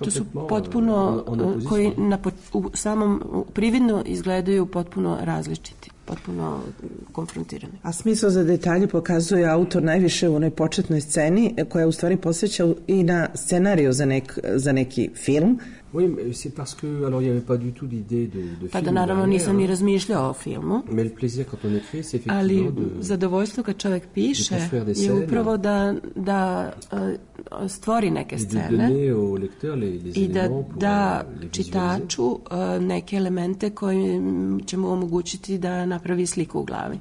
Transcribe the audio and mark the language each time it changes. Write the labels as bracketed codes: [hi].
[sr] to su potpuno, koji u samom prividno izgledaju potpuno različiti, potpuno konfrontirani. A smisao za detalje pokazuje autor najviše u onoj početnoj sceni, koja u stvari posveća i na scenariju za neki film. [fr] Oui, mais c'est parce que alors il y avait pas du tout l'idée de film. [sr] Pa naravno nisam ni razmišljao o filmu. [fr] Mais le plaisir quand on écrit, c'est effectivement [sr] ali zadovoljstvo kad čovjek piše je upravo da stvori neke scene. [fr] De donner au lecteur les éléments [sr] i da čitaču neke elemente koji će mu omogućiti da napravi sliku u glavi.